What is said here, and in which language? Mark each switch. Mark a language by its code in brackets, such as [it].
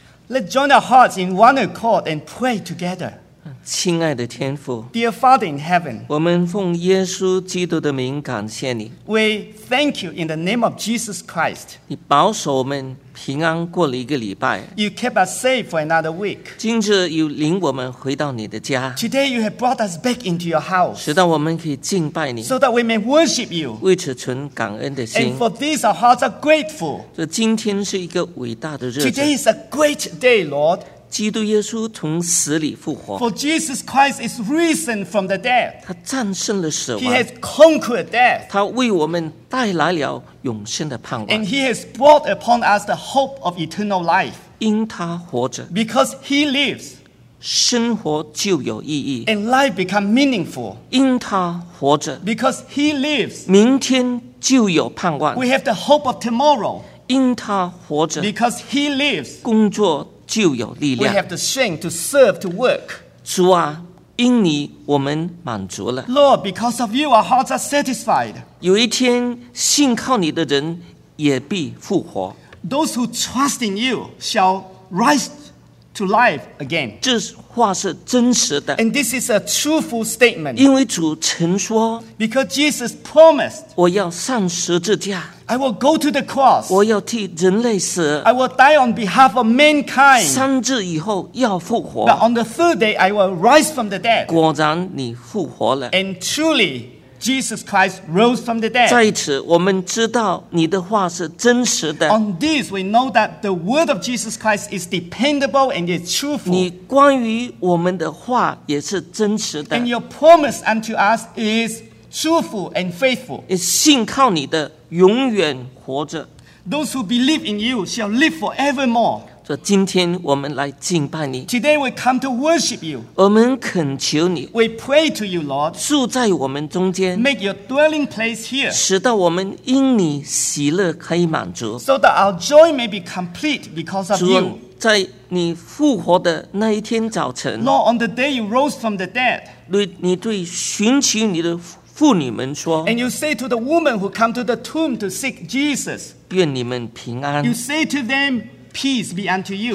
[en] Let's join our hearts in one accord and pray together. [zh] 亲爱的天父 [en] ，Dear Father in heaven， [zh] 我们奉耶稣基督的名感谢你。 [en] We thank you in the name of Jesus Christ. [zh] 你保守我们平安过了一个礼拜。 [en] You kept us safe for another week. [zh] 今日又领我们回到你的家。 [en] Today you have brought us back into your house. [zh] 使得我们可以敬拜你。 [en] So that we may worship you. [zh] 为此存感恩的心。 [en] And for this our hearts are grateful. [zh] 这今天是一个伟大的日子。 [en] Today is a great day, Lord. [zh] 基督耶稣从死里复活。 [en] For Jesus Christ is risen from the dead. [zh] 他战胜了死亡。 [en] He has conquered death. [zh] 他为我们带来了永生的盼望。 [en] And he has brought upon us the hope of eternal life. [zh] 因他活着。 [en] Because he lives. [zh] 生活就有意义。 [en] And life become meaningful. [zh] 因他活着。 [en] Because he lives. [zh] 明天就有盼望。 [en] We have the hope of tomorrow. [zh] 因他活着。 [en] Because he lives. [zh] 工作就有力量。 [en] We have the strength to serve, to work. [zh] 主啊，因你我们满足了。 [en] Lord, because of you, our hearts are satisfied. [zh] 有一天，信靠你的人也必复活。 [en] Those who trust in you shall rise to life again. [zh] 这话是真实的。 [en] And this is a truthful statement. [zh] 因为主曾说。 [en] Because Jesus promised. [zh] 我要上十字架。 [en] I will go to the cross. [zh] 我要替人类死。 [en] I will die on behalf of mankind. [zh] 三日以后要复活。 [en] But on the third day, I will rise from the dead. [zh] 果然你复活了。 [en] And truly, Jesus Christ rose from the dead. [zh] 在此，我们知道你的话是真实的。 [en] On this, we know that the word of Jesus Christ is dependable and is truthful. [zh] 你关于我们的话也是真实的。 [en] And your promise unto us is truthful and faithful. [zh] 信靠你的永远活着。 [en] Those who believe in you shall live forevermore. [zh] 这今天我们来敬拜你。 [en] Today we come to worship you. [zh] 我们恳求你。 [en] We pray to you, Lord. [zh] 住在我们中间。 [en] Make your dwelling place here. [zh] 使得我们因你喜乐可以满足。 [en] So that our joy may be complete because of you. [zh] 在你复活的那一天早晨。 [en] Lord, on the day you rose from the dead. [zh] 你对寻求你的妇女们说， [en] And you say to the woman who come to the tomb to seek Jesus, [zh] 愿你们平安。 [en] You say to them, peace be unto you.